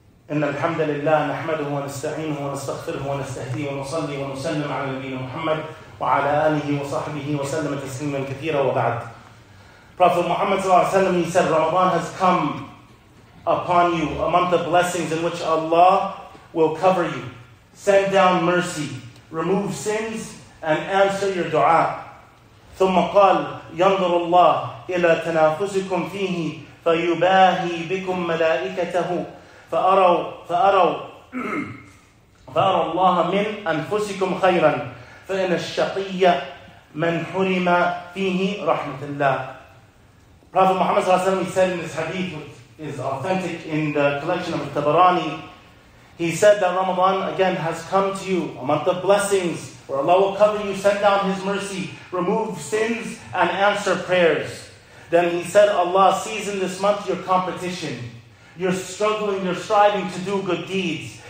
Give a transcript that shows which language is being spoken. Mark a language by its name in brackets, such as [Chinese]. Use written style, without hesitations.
[Arabic] إن الحمد لله نحمده ونستعينه ونستغفره ونستهديه ونصلي ونسلم على نبينا محمد وعلى آله وصحبه وسلم تسليما كثيرا وبعد. [English] Prophet Muhammad [Arabic] صلى الله عليه وسلم, [English] he said, Ramadan has come upon you, a month of blessings in which Allah will cover you, send down mercy, remove sins, and answer your dua. [Arabic] ثم قال ينظر الله إلى تنافسكم فيه فيباهي بكم ملائكته فأرى الله من أنفسكم خيرا فإن الشقي من حرم فيه رحمة الله. [English] Prophet Muhammad [Arabic] صلى الله عليه وسلم [English] said in this hadith, which is authentic in the collection of Tabarani, he said that Ramadan again has come to you, a month of blessings, where Allah will cover you, send down His mercy, remove sins, and answer prayers. Then he said, Allah sees in this month your competition. You're struggling, you're striving to do good deeds.